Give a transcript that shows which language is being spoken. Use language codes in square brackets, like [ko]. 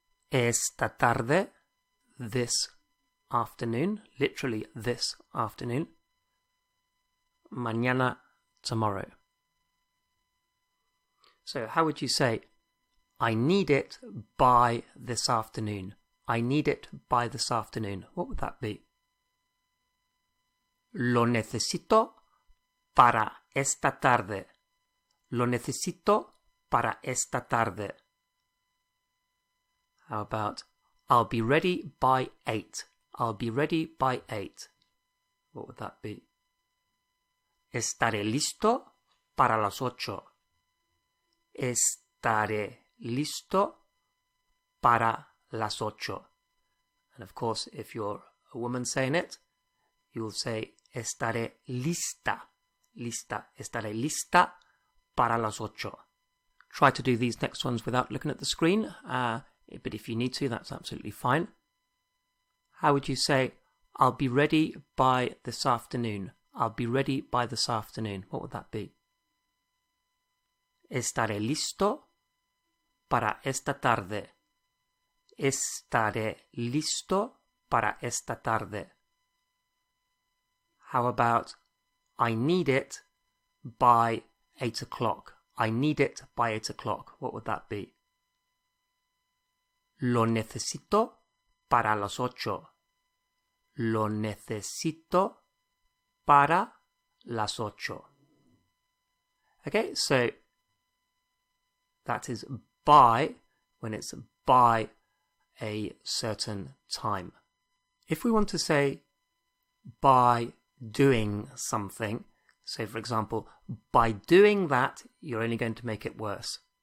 [es] Esta tarde, [en] this afternoon, literally this afternoon. Mañana, tomorrow. So how would you say, I need it by this afternoon? I need it by this afternoon. What would that be? [es] Lo necesito para esta tarde. Lo necesito para esta tarde. [en] How about, I'll be ready by 8. I'll be ready by 8. What would that be? [es] Estaré listo para las 8. Estaré listo para las 8. [en] And of course, if you're a woman saying it, you'll say [es] estaré lista. [en] Lista. [es] Estaré lista para las 8. [en] Try to do these next ones without looking at the screen, but if you need to, that's absolutely fine. How would you say, I'll be ready by this afternoon? I'll be ready by this afternoon. What would that be? [es] Estaré listo para esta tarde. Estaré listo para esta tarde. [en] How about, I need it by 8 o'clock. I need it by 8 o'clock. What would that be? [es] Lo necesito para las ocho. Lo necesito para las ocho. [en] Okay, so that is by when it's by a certain time. If we want to say by doing something, say for example, by doing that, you're only going to make it worse.